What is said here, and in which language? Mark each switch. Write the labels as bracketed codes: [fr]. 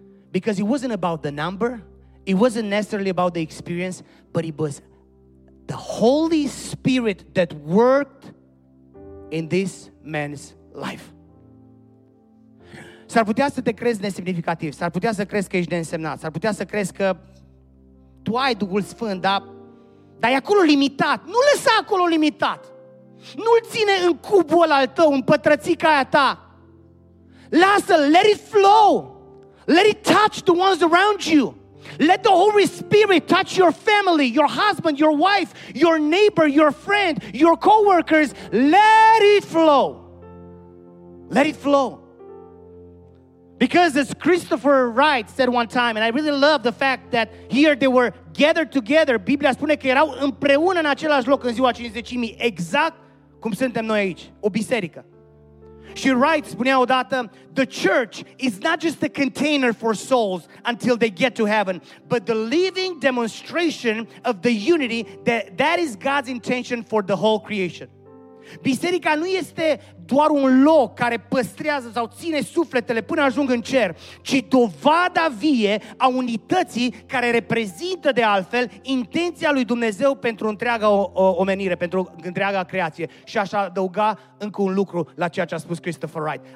[en] Because it wasn't about the number, it wasn't necessarily about the experience, but it was the Holy Spirit that worked in this man's life. [ro] S-ar putea să te crezi nesemnificativ, s-ar putea să crezi că ești neînsemnat, s-ar putea să crezi că tu ai Duhul Sfânt, dar e acolo limitat. Nu lăsa acolo limitat. Nu-l ține în cubul ăla al tău, în pătrățica aia ta. Lasă-l, [en] let it flow. Let it touch the ones around you. Let the Holy Spirit touch your family, your husband, your wife, your neighbor, your friend, your coworkers. Let it flow. Let it flow. Because as Christopher Wright said one time, and I really love the fact that here they were gathered together. [ro] Biblia spune că erau împreună în același loc în ziua 50-mii, exact cum suntem noi aici, o biserică. [en] She writes, [ro] spunea odată, [en] the church is not just a container for souls until they get to heaven, but the living demonstration of the unity that is God's intention for the whole creation. [ro] Biserica nu este doar un loc care păstrează sau ține sufletele până ajung în cer, ci dovada vie a unității care reprezintă de altfel intenția lui Dumnezeu pentru întreaga omenire, pentru întreaga creație. Și aș adăuga încă un lucru la ceea ce a spus Christopher Wright.